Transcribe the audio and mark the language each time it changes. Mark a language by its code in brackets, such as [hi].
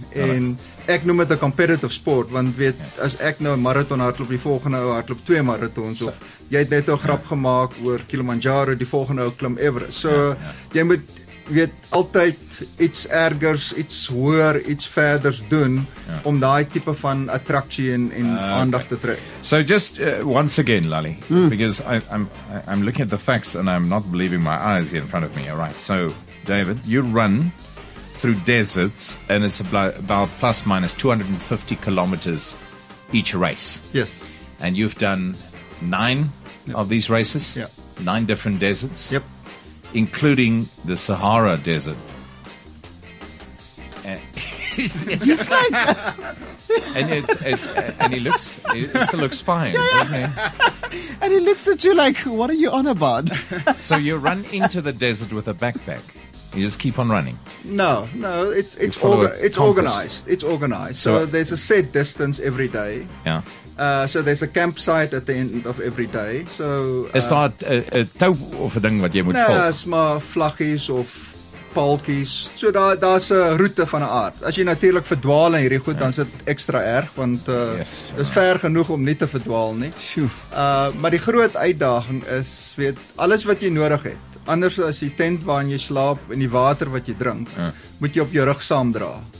[af] En ek noem dit 'n competitive sport, want weet, as ek nou 'n marathon hardloop, die volgende ou hardloop 2 marathons, of jy het net 'n grap gemaak oor Kilimanjaro, die volgende ou klim Everest. So, jy moet, weet, altyd iets ergers, iets hoër, iets verders doen, om daai tipe van attractie en aandag te trek. [en] So just once again, Lally, because I'm looking at the facts and I'm not believing my eyes here in front of me. All right, so David, you run through deserts and it's about plus minus 250 kilometers each race. Yes. And you've done 9 of these races. Yeah. 9 different deserts. Yep. Including the Sahara Desert. He's like... And he looks... He still looks fine, doesn't he? And he looks at you like, what are you on about? So you run into the desert with a backpack. You just keep on running. No. It's organized. It's organized. So there's a set distance every day. Yeah. So there's a campsite at the end of every day. So is that a tow of a thing that you would call? No, it's more [af] vlaggies of palkies. [en] So that's a route of an art. [af] As you natuurlijk verdwaal in hierdie goed, dan is dit extra erg, want is ver genoeg om nie te verdwaal nie. Maar die groot uitdaging is, weet, alles wat jy nodig het, anders as die tent waarin jy slaap en die water wat jy drink, moet jy op jou rug saamdra.